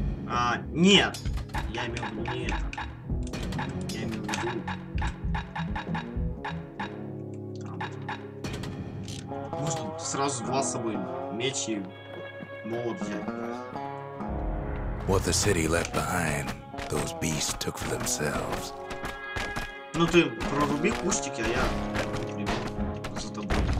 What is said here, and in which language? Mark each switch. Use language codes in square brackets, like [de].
[ru] А, нет, я имел в виду не это. Я имел в виду. Можно сразу два с собой, меч и молот взять. [en] What the city left behind, those beasts took for themselves. [ru] Ну ты проруби кустики, а я за тобой.